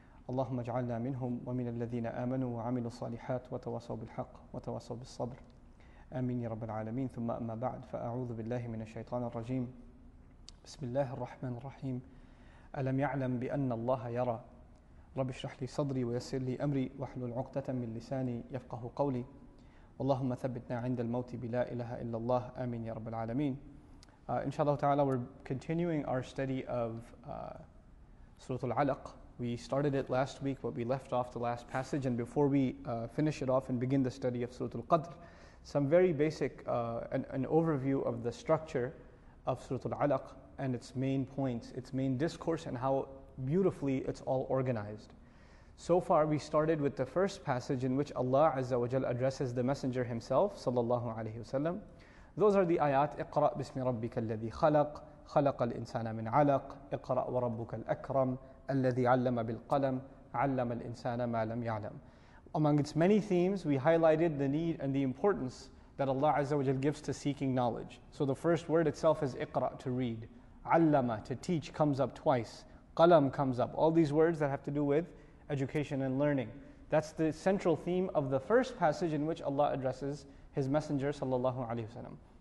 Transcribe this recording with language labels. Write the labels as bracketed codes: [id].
[ar] اللهم اجعلنا منهم ومن الذين آمنوا وعملوا الصالحات وتواصوا بالحق وتواصوا بالصبر آمين يا رب العالمين ثم أما بعد فأعوذ بالله من الشيطان الرجيم بسم الله الرحمن الرحيم ألم يعلم بأن الله يرى رب اشرح لي صدري ويسر لي أمري واحلل عقدة من لساني يفقه قولي اللهم ثبتنا عند الموت بلا إله إلا الله آمين يا رب العالمين إن شاء الله تعالى [en] we're continuing our study of Surah Al-Alaq. We started it last week, but we left off the last passage. And before we finish it off and begin the study of Surah Al-Qadr, some very basic, an overview of the structure of Surah Al-Alaq and its main points, its main discourse, and how beautifully it's all organized. So far, we started with the first passage in which Allah Azza wa Jalla addresses the Messenger himself, sallallahu alayhi wa sallam. Those are the ayat, [ar] اقرأ بسم ربك الذي خلق خلق الإنسان من علق اقرأ وربك الأكرم الَّذِي عَلَّمَ بِالْقَلَمِ عَلَّمَ الْإِنسَانَ مَا لَمْ يَعْلَمْ. [en] Among its many themes, we highlighted the need and the importance that Allah Azza wa Jal gives to seeking knowledge. So the first word itself is اقرأ, to read. عَلَّمَ, to teach, comes up twice. قَلَم, comes up. All these words that have to do with education and learning. That's the central theme of the first passage in which Allah addresses His Messenger sallallahu alayhi wa sallam.